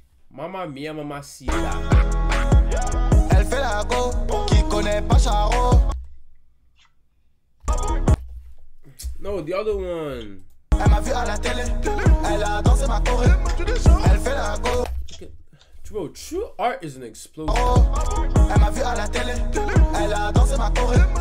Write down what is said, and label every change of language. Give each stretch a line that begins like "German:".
Italian: Mamma mia, mamma sia.
French: Elle fait la go, qui connaît pas Charo.
English: No, the other one.
French: Elle m'a vu à la télé, elle a dansé ma choré. Elle fait la go.
English: Bro, true art is an explosion.
French: Elle m'a vu à la télé, elle a dansé ma choré.